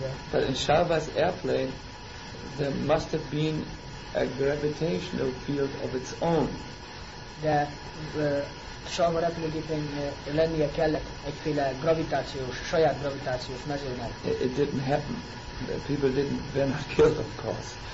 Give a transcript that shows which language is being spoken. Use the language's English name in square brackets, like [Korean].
[English] But in Shalva's airplane, there must have been a gravitational field of its own. [Hungarian] De Shalva repülőgépen lennie kellett egyféle gravitációs, saját gravitációs mezőnek. [English] It didn't happen. The people didn't, they're not killed, of course.